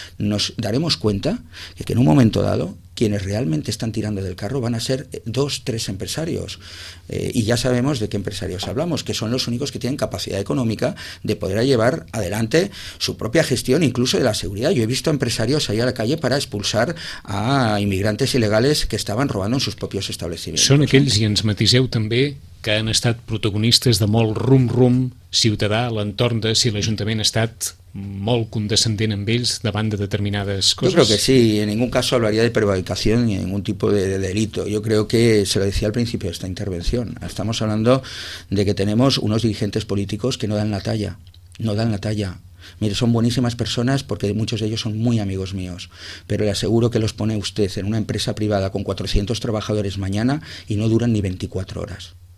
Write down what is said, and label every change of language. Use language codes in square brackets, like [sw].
[es] Nos daremos cuenta de que en un momento dado, quienes realmente están tirando del carro van a ser 2-3 empresarios. Y ya sabemos de qué empresarios hablamos, que son los únicos que tienen capacidad económica de poder llevar adelante su propia gestión, incluso de la seguridad. Yo he visto empresarios ahí a la calle para expulsar a inmigrantes ilegales que estaban robando en sus propios establecimientos. [ca] Són aquells, i ens matiseu també, que han estat protagonistes de molt rum-rum ciutadà a l'entorn de si l'Ajuntament ha estat molt condescendent amb ells davant de determinades coses. [es] Yo creo que sí, en ningún caso hablaría de prevaricación ni ningún tipo de delito. Yo creo que se lo decía al principio de esta intervención. Estamos hablando de que tenemos unos dirigentes políticos que no dan la talla, no dan la talla. Mire, son buenísimas personas porque muchos de ellos son muy amigos míos, pero le aseguro que los pone usted en una empresa privada con 400 trabajadores mañana y no duran ni 24 horas.